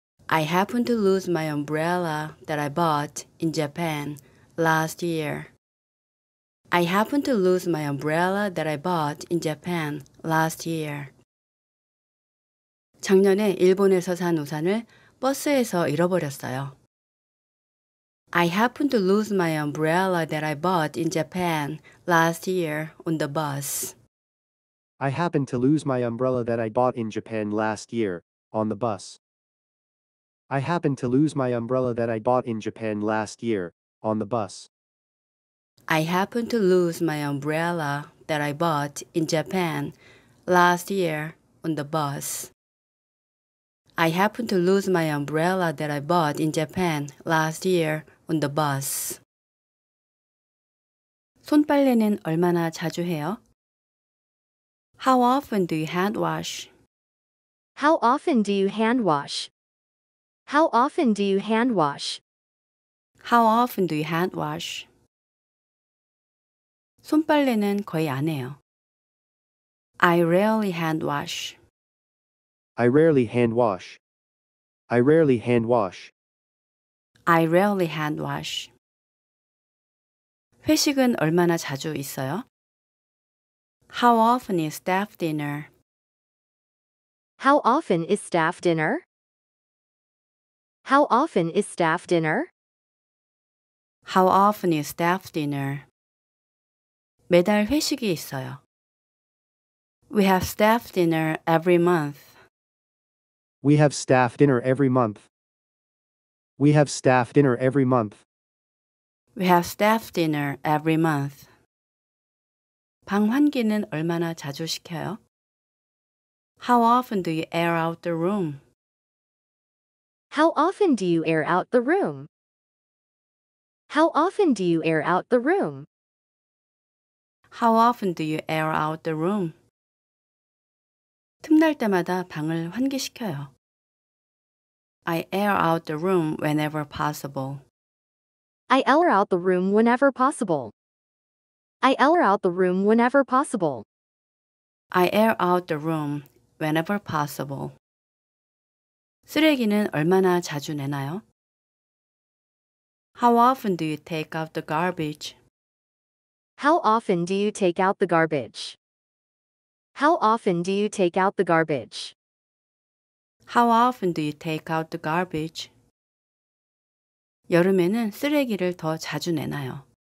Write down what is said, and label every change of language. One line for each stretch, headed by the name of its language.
English: I happened to lose my umbrella that I bought in Japan last year. I happened to lose my umbrella that I bought in Japan last year.
Korean: 작년에 일본에서 산 우산을 버스에서 잃어버렸어요.
English: I happened to lose my umbrella that I bought in Japan last year on the bus. I happened to lose my umbrella that I bought in Japan last year on the bus. I happened to lose my umbrella that I bought in Japan last year on the bus. I happened to lose my umbrella that I bought in Japan last year on the bus. I happened to lose my umbrella that I bought in Japan last year on the bus.
Korean: 손빨래는 얼마나 자주 해요?
English: How often do you hand wash? How often do you hand wash? How often do you hand wash? How often do you hand wash?
Korean: 손빨래는 거의 안 해요.
English: I rarely hand wash. I rarely hand wash. I rarely hand wash. I rarely hand wash.
Korean: 회식은 얼마나 자주 있어요?
English: How often is staff dinner? How often is staff dinner? How often is staff dinner? How often is staff dinner?
Korean: 매달 회식이 있어요.
English: We have staff dinner every month. We have staff dinner every month. We have staff dinner every month. We have staff dinner every month.
Korean: 방 환기는 얼마나 자주 시켜요?
English: How often do you air out the room? How often do you air out the room? How often do you air out the room? How often do you air out the room?
Korean: 틈날 때마다 방을 환기시켜요.
English: I air out the room whenever possible. I air out the room whenever possible. I air out the room whenever possible. I air out the room whenever possible.
Korean: 쓰레기는 얼마나 자주 내나요?
English: How often do you take out the garbage? How often do you take out the garbage? How often do you take out the garbage? How often do you take out the garbage?
Korean: 여름에는 쓰레기를 더 자주 내나요?